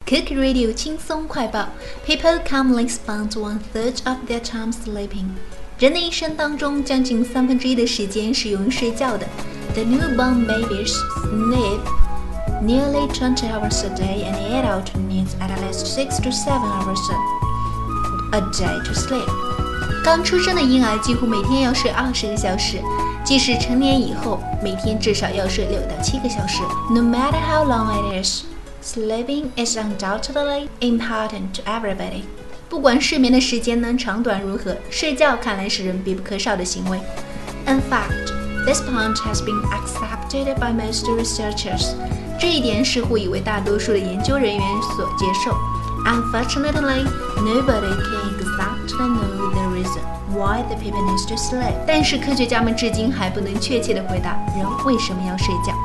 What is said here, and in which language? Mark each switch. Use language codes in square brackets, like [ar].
[en] Cook Radio 轻松快报 People commonly spend one third of their time sleeping. [zh] 人的一生当中将近三分之一的时间是用于睡觉的。 [en] The newborn babies sleep nearly 20 hours a day and adult needs at least 6 to 7 hours a day to sleep. [zh] 刚出生的婴儿几乎每天要睡20个小时，即使成年以后，每天至少要睡6到7个小时。 [en] No matter how long it is,Sleeping is undoubtedly important to everybody. [zh] 不管睡眠的时间能长短如何，睡觉看来是人必不可少的行为。 [en] In fact, this point has been accepted by most researchers. [zh] 这一点似乎已为大多数的研究人员所接受。 [en] Unfortunately, nobody can exactly know the reason why the people need to sleep. [zh] 但是科学家们至今还不能确切地回答人为什么要睡觉。